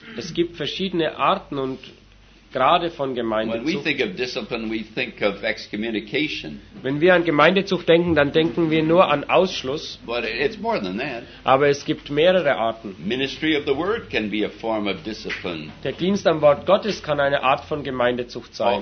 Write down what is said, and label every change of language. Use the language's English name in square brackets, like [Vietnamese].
[German] Es gibt verschiedene Arten und Grade von Gemeindezucht. [English] When we think of discipline, we think of excommunication. [German] Wenn wir an Gemeindezucht denken, dann denken wir nur an Ausschluss. [English] But it's more than that. [German] Aber es gibt mehrere Arten. [English] Ministry of the word can be a form of discipline. [German] Der Dienst am Wort Gottes kann eine Art von Gemeindezucht sein.